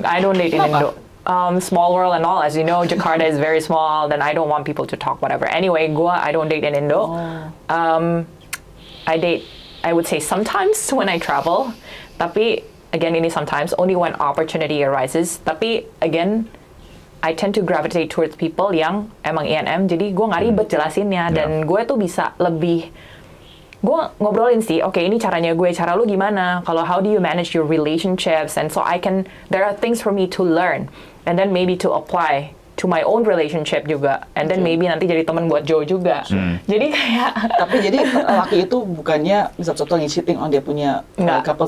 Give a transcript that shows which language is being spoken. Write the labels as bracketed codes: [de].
[en] I don't date in Indo. Small world and all. As you know, Jakarta is very small. Then I don't want people to talk whatever. Anyway, gua, I don't date in Indo. Oh. I date... I would say sometimes when I travel, tapi again ini sometimes only when opportunity arises. Tapi again, I tend to gravitate towards people [id] yang emang [en] INM. [id] Jadi gue nggak ribet jelasinnya dan gue tuh bisa lebih gue ngobrolin sih. Okay, ini caranya gue, cara lu gimana? Kalau [en] how do you manage your relationships? And so I can there are things for me to learn and then maybe to apply to my own relationship juga, and then maybe [id] nanti jadi teman buat Joe juga. Jadi kayak. Tapi jadi laki itu bukannya bisa contohnya cheating on dia punya couple